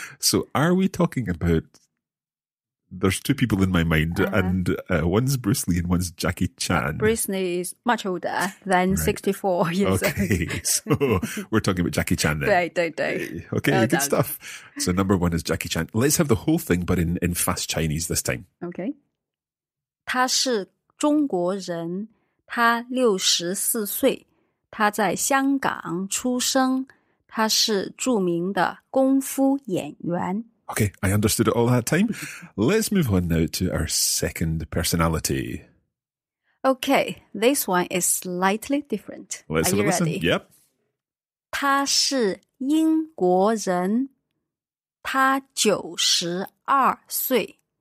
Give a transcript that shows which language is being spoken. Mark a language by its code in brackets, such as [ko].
[en] So are we talking about, there's two people in my mind, and one's Bruce Lee and one's Jackie Chan. Bruce Lee is much older than 64 years old. Okay, so we're talking about Jackie Chan then. Right, right, right. Okay, well good done. Stuff. So number one is Jackie Chan. Let's have the whole thing, but in fast Chinese this time. [zh] Okay. 他是中国人. 他64岁, 他在香港出生, 他是著名的功夫演员。 [en] Okay, I understood it all that time. Let's move on now to our second personality. Okay, this one is slightly different. Let's Are have you a listen. Ready? Yep. [zh] 他是英国人。他92岁。